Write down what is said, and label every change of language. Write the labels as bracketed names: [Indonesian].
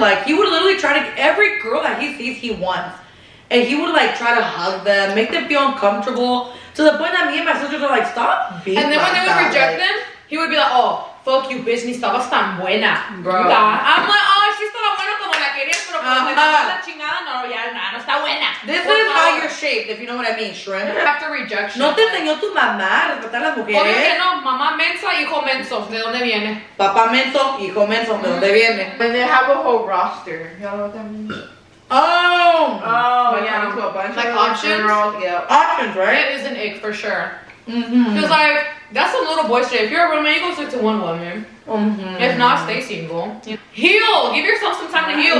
[English] Like, he would literally try to, every girl that he sees, he wants. And he would like try to hug them, make them feel uncomfortable, to the point that me and my sisters are like, stop being like that. And then when they would reject them, he would be like, oh, fuck you, bitch, [Spanish] ni estabas tan buena. [English] Bro. I'm like, oh, she's [Spanish] tan buena como la querías, pero como la chingada, no, ya, no está buena. [English] This is how you're shaped, if you know what I mean, shrimp. After rejection. [Spanish] No te enseñó tu mamá a respetar a las mujeres. Obvio que no, mamá mensa, hijo menso, ¿de dónde viene? Papá menso, hijo menso, ¿de dónde viene? [English] And they have a whole roster, you know what that means? Oh! Oh, but yeah, into a bunch like of options. Yeah. Options, right? It is an ick for sure. Mm-hmm. Cause like, that's a little boy shit. If you're a roommate, you go stick to one woman. Mm-hmm. If not, stay single. Heal! Give yourself some time to heal.